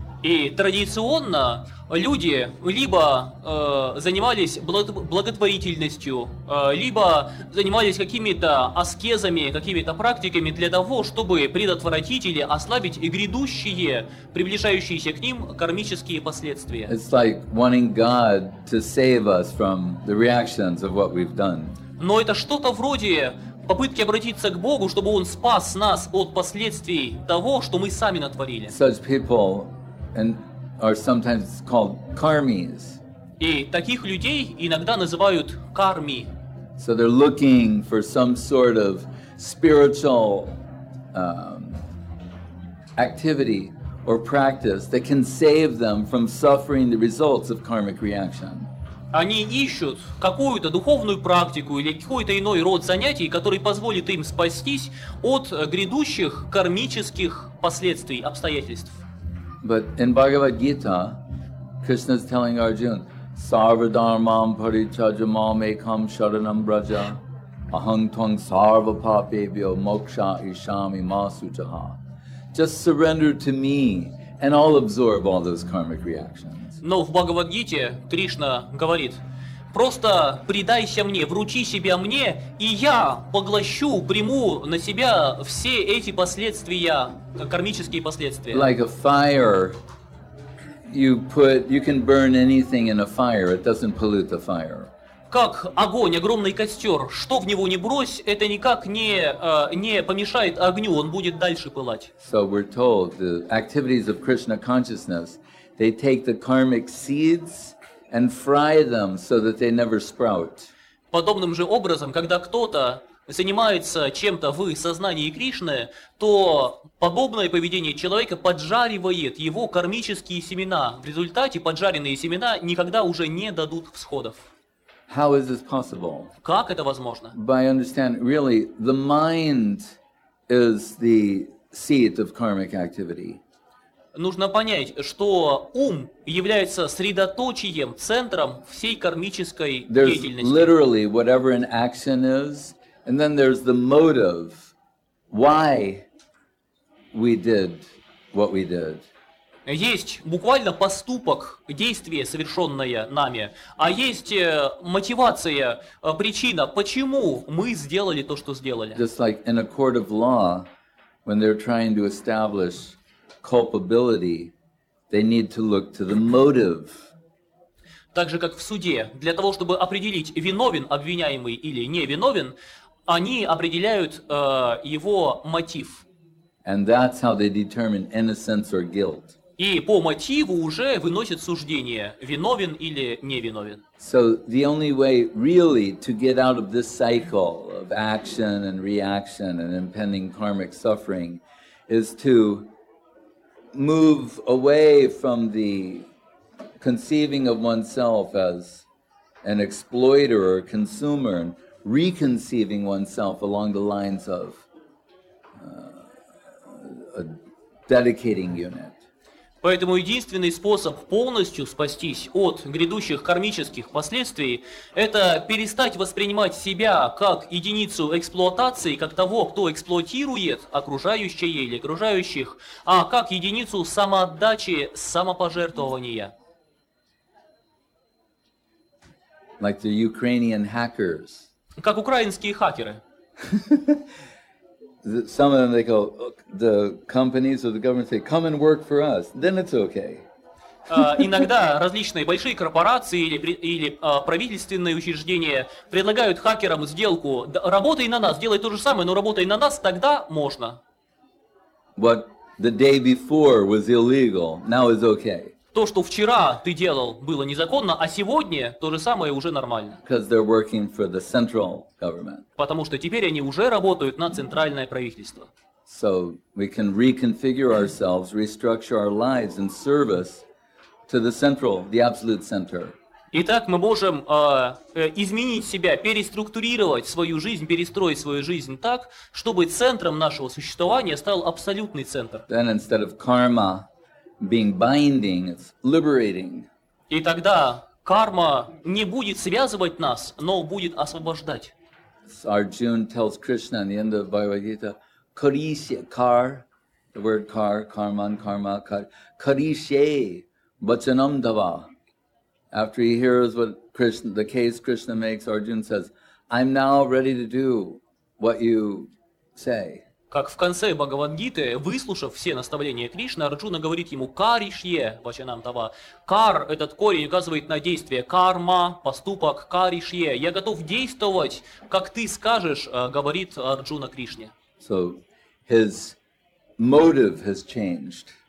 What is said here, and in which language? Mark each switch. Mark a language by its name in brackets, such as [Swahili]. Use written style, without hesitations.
[Russian] И традиционно люди либо занимались благотворительностью, либо занимались какими-то аскезами, какими-то практиками для того, чтобы предотвратить или ослабить грядущие, приближающиеся к ним кармические последствия. [English] It's like wanting God to save us from the reactions of what we've done. [Russian] Но это что-то вроде попытки обратиться к Богу, чтобы Он спас нас от последствий того, что мы сами натворили. [English] Such people and are sometimes called karmis. [Russian] И таких людей иногда называют карми. [English] So they're looking for some sort of spiritual activity or practice that can save them from suffering the results of karmic reaction. [Russian] они ищут какую-то духовную практику или какой-то иной род занятий, который позволит им спастись от грядущих кармических последствий, обстоятельств. [English] But in Bhagavad-gita, Krishna's telling Arjuna, [Sanskrit] Sarva dharmam parityajamam ekam sharanam braja, ahang tvam sarva papebhyo moksha ishami masujaha. [English] Just surrender to me and I'll absorb all those karmic reactions. [Russian] Но в Бхагавад-гите Кришна говорит: просто предайся мне, вручи себя мне, и я поглощу, приму на себя все эти последствия, кармические последствия. [English] Like a fire, you can burn anything in a fire, it doesn't pollute the fire. [Russian] Как огонь, огромный костер, что в него не брось, это никак не помешает огню, он будет дальше пылать. [English] So we're told the activities of Krishna consciousness, they take the karmic seeds and fry them so that they never sprout. [Russian] Подобным же образом, когда кто-то занимается чем-то в сознании Кришны, то подобное поведение человека поджаривает его кармические семена. В результате поджаренные семена никогда уже не дадут всходов. [English] How is this possible? [Russian] Как это возможно? [English] By understanding, really, the mind is the seat of karmic activity. [Russian] Нужно понять, что ум является средоточием, центром всей кармической [English] there's [Russian] деятельности. [English] Literally whatever an action is, and then there's the motive why we did what we did. [Russian] Есть буквально поступок, действие, совершенное нами, а есть мотивация, причина, почему мы сделали то, что сделали. [English] Just like in a court of law, when they're trying to establish culpability, they need to look to the motive. [Russian] Так же, как в суде, для того, чтобы определить, виновен обвиняемый или невиновен, они определяют его мотив. [English] And that's how they determine innocence or guilt. [Russian] И по мотиву уже выносят суждение, виновен или невиновен. [English] So the only way really to get out of this cycle of action and reaction and impending karmic suffering is to move away from the conceiving of oneself as an exploiter or consumer and reconceiving oneself along the lines of a dedicating unit. [Russian] Поэтому единственный способ полностью спастись от грядущих кармических последствий – это перестать воспринимать себя как единицу эксплуатации, как того, кто эксплуатирует окружающее или окружающих, а как единицу самоотдачи, самопожертвования. [English] Like the Ukrainian hackers. [Russian] Как украинские хакеры. [English] Some of them they go, the companies or the government say, come and work for us, then it's okay. [Russian] Иногда различные большие корпорации или правительственные учреждения предлагают хакерам сделку, работай на нас, делай то же самое, но работай на нас, тогда можно. [English] What the day before was illegal, now is okay. [Russian] То, что вчера ты делал, было незаконно, а сегодня то же самое уже нормально. [English] Because they're working for the central government. [Russian] Потому что теперь они уже работают на центральное правительство. [English] So we can reconfigure ourselves, restructure our lives and service to the central, the absolute center. [Russian] Итак, мы можем изменить себя, переструктурировать свою жизнь, перестроить свою жизнь так, чтобы центром нашего существования стал абсолютный центр. [English] Then instead of karma being binding, it's liberating. [Russian] И тогда карма не будет связывать нас, но будет освобождать. [English] Arjuna tells Krishna in the end of Bhagavad-gita, Karishye, kar, the word kar, karman, karma, kar, [Sanskrit] Karishye, vachanam dava. [English] After he hears what Krishna, the case Krishna makes, Arjuna says, I'm now ready to do what you say. [Russian] Как в конце Бхагавад-гиты, выслушав все наставления Кришны, Арджуна говорит ему [Sanskrit] «каришье» вачанам тава. [Russian] «Кар» — этот корень указывает на действие. «Карма» — поступок. «Каришье» — «я готов действовать, как ты скажешь», — говорит Арджуна Кришне. [English] So his motive has changed.